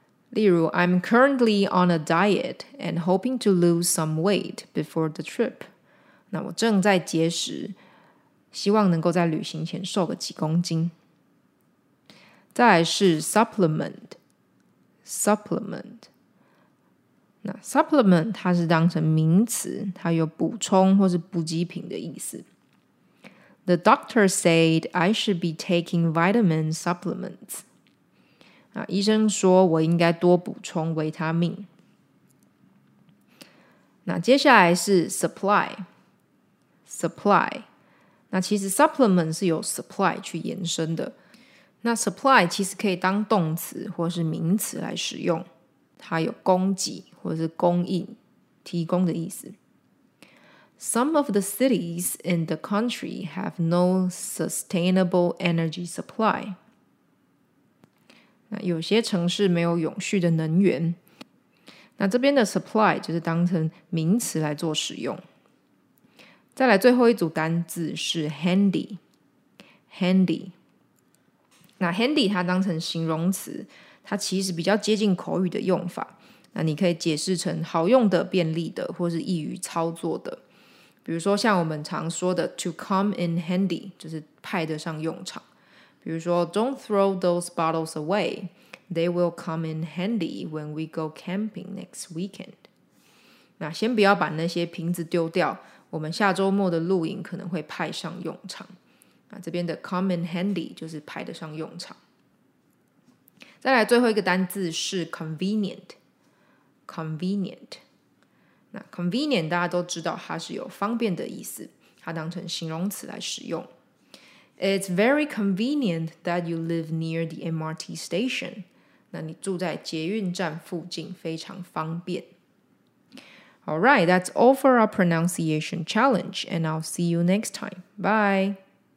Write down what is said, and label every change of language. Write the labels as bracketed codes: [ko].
[zh] 例如 [en] I'm currently on a diet and hoping to lose some weight before the trip. [zh] 那我正在节食，希望能够在旅行前瘦个几公斤。再来是 supplement， supplement。那 supplement 它是当成名词，它有补充或是补给品的意思。 [en] The doctor said I should be taking vitamin supplements. [zh] 那医生说我应该多补充维他命。那接下来是 supply， supply。那其实 supplement 是由 supply 去延伸的，那 supply 其实可以当动词或是名词来使用，它有供给或是供应、提供的意思。 [en] Some of the cities in the country have no sustainable energy supply. [zh] 那有些城市没有永续的能源。那这边的 supply 就是当成名词来做使用。再来最后一组单字是 handy， handy。那 handy 它当成形容词，它其实比较接近口语的用法，那你可以解释成好用的、便利的或是易于操作的。比如说像我们常说的 to come in handy 就是派得上用场。比如说 [en] don't throw those bottles away, they will come in handy when we go camping next weekend. [zh] 那先不要把那些瓶子丢掉，我们下周末的露营可能会派上用场。那这边的 come in handy 就是派得上用场。再来最后一个单字是 convenient， convenient。那 convenient 大家都知道它是有方便的意思，它当成形容词来使用。 [en] It's very convenient that you live near the MRT station. [zh] 那你住在捷运站附近非常方便。 [en] Alright, that's all for our pronunciation challenge, and I'll see you next time. Bye.